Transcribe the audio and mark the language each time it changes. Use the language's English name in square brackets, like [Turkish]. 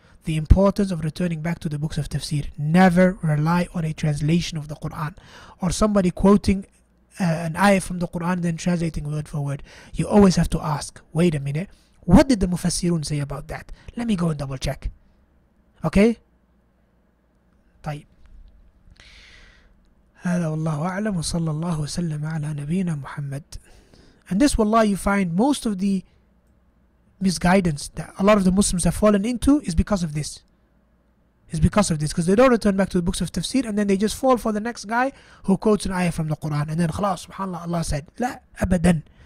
[English] The importance of returning back to the books of Tafsir. Never rely on a translation of the Quran or somebody quoting an ayah from the Quran then translating word for word. You always have to ask, wait a minute, what did the Mufassirun say about that? Let me go and double check. Okay? طيب. [Arabic] هذا والله أعلم وصلى الله وسلم على نبينا محمد. [English] And this, wallah, you find most of the misguidance that a lot of the Muslims have fallen into is because of this. It's because of this, because they don't return back to the books of Tafsir and then they just fall for the next guy who quotes an ayah from the Quran and then khalas, subhanAllah, Allah said, [Arabic] لا أبداً.